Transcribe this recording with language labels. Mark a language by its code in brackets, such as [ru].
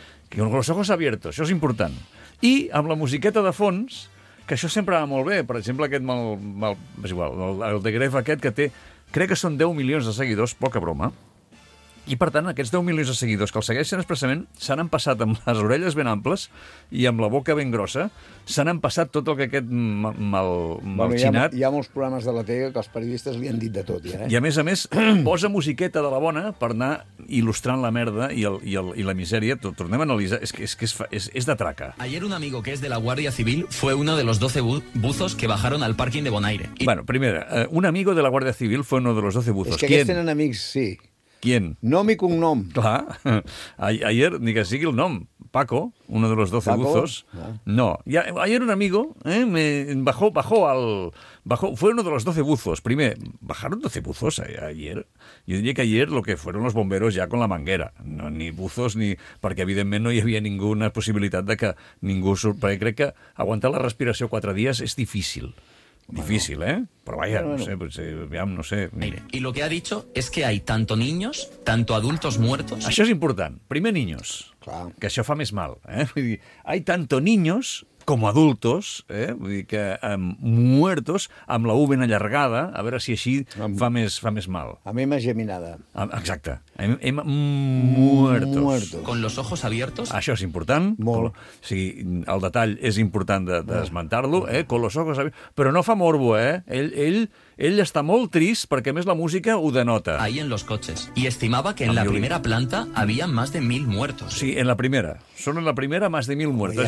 [es] Con los ojos abiertos, [ca] això és important. I amb la musiqueta de fons, que això sempre va molt bé, per exemple, aquest mal és igual, el de Gref aquest que té, crec que són 10 milions de seguidors, poca broma, i per tant, aquests 10 milions de seguidors que els segueixen expressament s'han empassat amb les orelles ben amples i amb la boca ben grossa, s'han empassat tot el que aquest mal xinat... Hi ha molts programes de la tele que els periodistes li han dit de tot, ja, eh? I a més, posa musiqueta de la bona per anar il·lustrant la merda i la misèria. Tornem a analitzar, és de traca. [es] Ayer un amigo que es de la Guardia Civil fue uno de los 12 buzos que bajaron al parking de Bonaire. Bueno, primera, un amigo de la Guardia Civil fue uno de los 12 buzos. [ca] És que aquests tenen amics, sí. [es] ¿Quién? [ca] Nom i cognom. Clar. [es] Ayer, [ca] ni que sigui el nom, [es] Paco, uno de los 12 buzos. No. Ayer un amigo me bajó, fue uno de los 12 buzos. Primer, ¿bajaron 12 buzos ayer? Yo diría que ayer lo que fueron los bomberos ya con la manguera. No, ni buzos, ni... [ca] Perquè, evidentment, no hi havia ninguna possibilitat de que ningú... Perquè crec que aguantar la respiració 4 dies és difícil. [es] Difícil, ¿eh? Pero vaya, no sé. Mire, y lo que ha dicho es que hay tanto niños, tanto adultos muertos... [ca] Això és important. Primer, niños. Clar. Que això fa més mal, ¿eh? Vull dir, [es] hay tanto niños como adultos, ¿eh? [ca] Vull dir que muertos, amb la U ben allargada, a veure si així fa més mal. Amb M geminada. Exacte. Hem muertos. [es] Con los ojos abiertos. [ca] Això és important. Molt. El detall és important d'esmentar-lo, eh? [es] Con los ojos abiertos. [ca] Però no fa morbo, eh? Ell està molt trist perquè, a més, la música ho denota. [es] Ahí en los coches. Y estimaba que en la primera planta había más de 1000 muertos. Sí, en la primera. Són en la primera más de 1000 muertos.